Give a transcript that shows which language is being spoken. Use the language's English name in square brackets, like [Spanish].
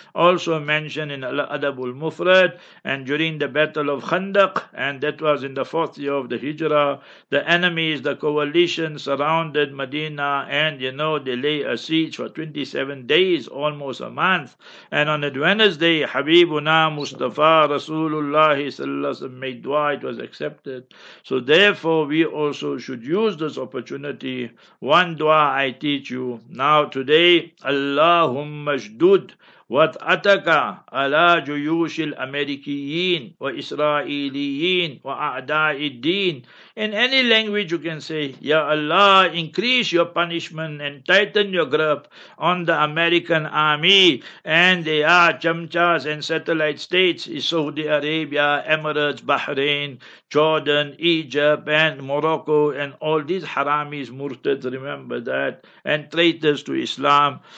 [English] Also mentioned in Al-Adabul Mufrad, and during the Battle of Khandaq, and that was in the fourth year of the Hijrah, the enemies, the coalition, surrounded Medina, and you know, they lay a siege for 27 days, almost a month. And on the Wednesday, Habibuna Mustafa Rasulullah made dua, it was accepted. So therefore, we also should use this opportunity. One dua I teach you now today, [Arabic] Allahumma ajdud واتأتك على جيوش الأمريكيين وإسرائيليين وأعداء الدين. [English] In any language you can say, Ya Allah, increase your punishment and tighten your grip on the American army and the chamchas and satellite states, Saudi Arabia, Emirates, Bahrain, Jordan, Egypt, and Morocco, and all these haramis, murtads, remember that, and traitors to Islam.